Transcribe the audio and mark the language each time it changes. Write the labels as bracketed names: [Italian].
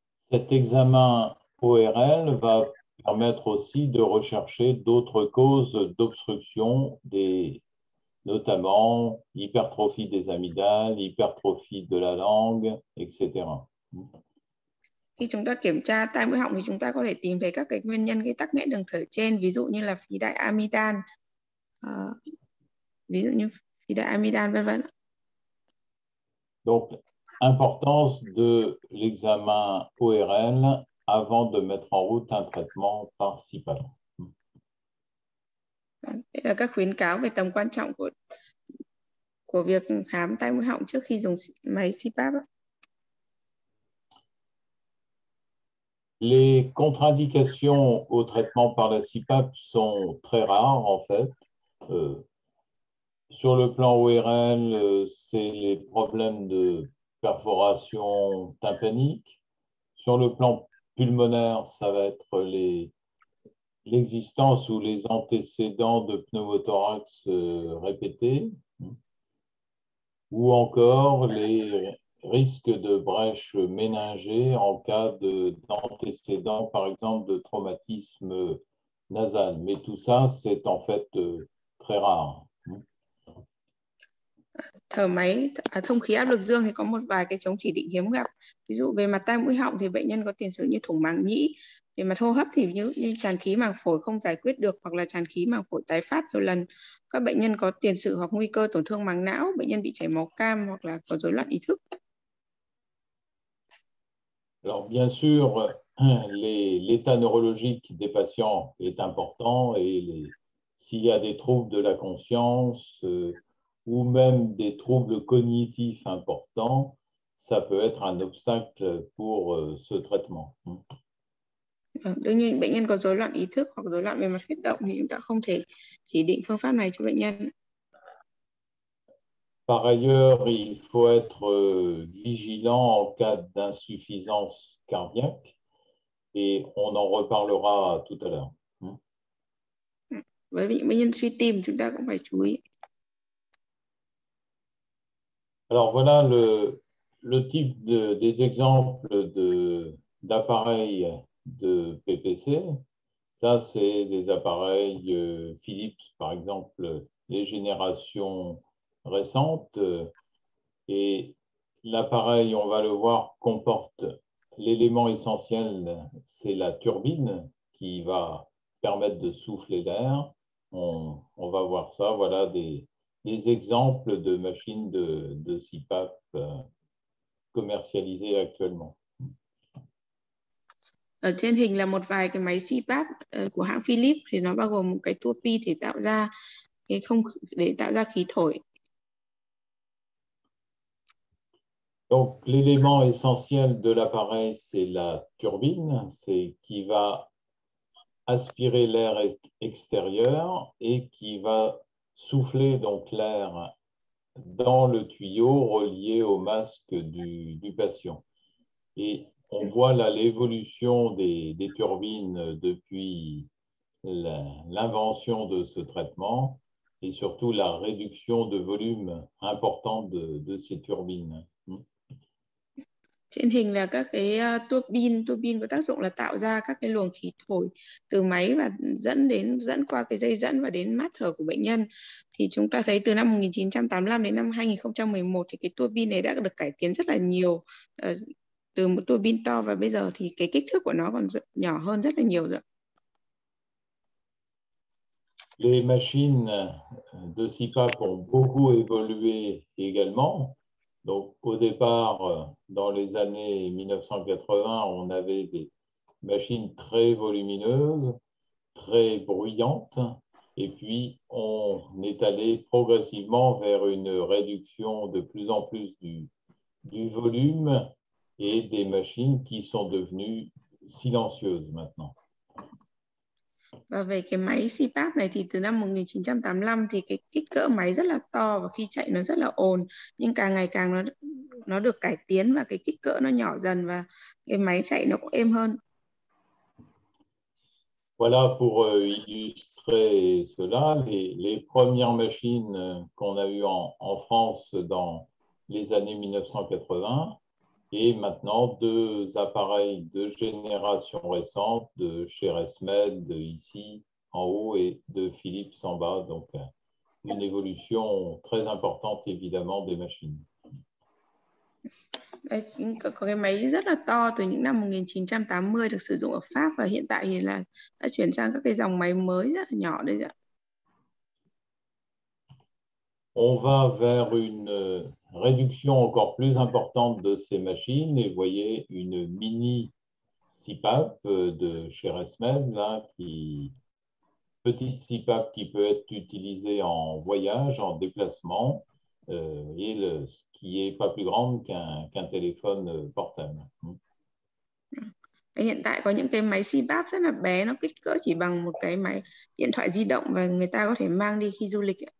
[French] Cet examen ORL va permettre aussi de rechercher d'autres causes d'obstruction, notamment hypertrophie des amygdales, hypertrophie de la langue, etc. [Vietnamese] Khi chúng ta kiểm tra tai mũi họng thì chúng ta có thể tìm thấy các cái nguyên nhân gây tắc nghẽn đường thở trên, ví dụ như là phì đại amidan, vân vân. [French] Donc, importance de l'examen ORL avant de mettre en route un traitement par CPAP. [Vietnamese] Đây là các khuyến cáo về tầm quan trọng của việc khám tai mũi họng trước khi dùng máy CPAP. [French] Les contre-indications au traitement par la CPAP sont très rares, en fait. Sur le plan ORL, c'est les problèmes de perforation tympanique. Sur le plan pulmonaire, ça va être l'existence ou les antécédents de pneumothorax répétés. Ou encore risque de brèche méningée en cas d'antécédent, par exemple, de traumatisme nasal. Mais tout ça, c'est en fait très rare. [Vietnamese] Thở máy, thông khí áp lực dương thì có một vài cái chống chỉ định hiếm gặp. Ví dụ về mặt tai mũi họng thì bệnh nhân có tiền sử như thủng màng nhĩ. Về mặt hô hấp thì như tràn khí màng phổi không giải quyết được hoặc là tràn khí màng phổi tái phát nhiều lần. Các bệnh nhân có tiền sử hoặc nguy cơ tổn thương màng não, bệnh nhân bị chảy máu cam hoặc là có rối loạn ý thức. [French] Alors bien sûr, l'état neurologique des patients est important et s'il y a des troubles de la conscience ou même des troubles cognitifs importants, ça peut être un obstacle pour ce traitement. [Vietnamese] Đương nhiên, bệnh nhân có rối loạn ý thức hoặc rối loạn về mặt huyết động thì chúng ta không thể chỉ định phương pháp này cho bệnh nhân. [French] Par ailleurs, il faut être vigilant en cas d'insuffisance cardiaque et on en reparlera tout à l'heure. [Vietnamese] Với bệnh nhân suy tim, chúng ta cũng phải chú ý. [French] Alors voilà le type des exemples d'appareils de PPC. Ça, c'est des appareils Philips, par exemple, les générations récentes. Et l'appareil, on va le voir, comporte l'élément essentiel, c'est la turbine qui va permettre de souffler l'air. On va voir ça. Voilà des exemples de machines de CPAP commercialisées actuellement. [Vietnamese] Ở trên hình là một vài cái máy CPAP của hãng Philips, thì nó bao gồm một cái tua pi để tạo ra cái không để tạo ra khí thổi. [French] Donc l'élément essentiel de l'appareil, c'est la turbine, c'est qui va aspirer l'air extérieur et qui va souffler donc l'air dans le tuyau relié au masque du patient. Et on voit là l'évolution des turbines depuis l'invention de ce traitement et surtout la réduction de volume importante de ces turbines. [Vietnamese] Trên hình là các cái turbine có tác dụng là tạo ra các cái luồng khí thổi từ máy và dẫn qua cái dây dẫn và đến mắt thở của bệnh nhân. Thì chúng ta thấy từ năm 1985 đến năm 2011 thì cái turbine này đã được cải tiến rất là nhiều. Từ một turbine to và bây giờ thì cái kích thước của nó còn nhỏ hơn rất là nhiều rồi. [French] Les machines de CPAP ont beaucoup évolué également. Donc, au départ, dans les années 1980, on avait des machines très volumineuses, très bruyantes, et puis on est allé progressivement vers une réduction de plus en plus du volume et des machines qui sont devenues silencieuses maintenant. [Vietnamese] Và về cái máy CPAP này thì từ năm 1985 thì cái kích cỡ máy rất là to và khi chạy nó rất là ồn, nhưng càng ngày càng nó được cải tiến và cái kích cỡ nó nhỏ dần và cái máy chạy nó cũng êm hơn. [French] Voilà pour illustrer cela, les premières machines qu'on a eues en France dans les années 1980 et maintenant, deux appareils de génération récente de chez ResMed, ici en haut, et de Philips en bas. Donc, une évolution très importante, évidemment, des machines. [Vietnamese] Có cái máy rất là to từ những năm 1980 được sử dụng ở Pháp và hiện tại thì là đã chuyển sang các cái dòng máy mới rất là nhỏ đấy ạ. [French] On va vers une réduction encore plus importante de ces machines et voyez une mini CPAP de chez ResMed, là, petite CPAP qui peut être utilisée en voyage, en déplacement, et qui n'est pas plus grande qu'un téléphone portable. [Vietnamese] Hiện tại có những cái máy CPAP rất là bé, nó kích cỡ chỉ bằng một cái máy điện thoại di động và người ta có thể mang đi khi du lịch.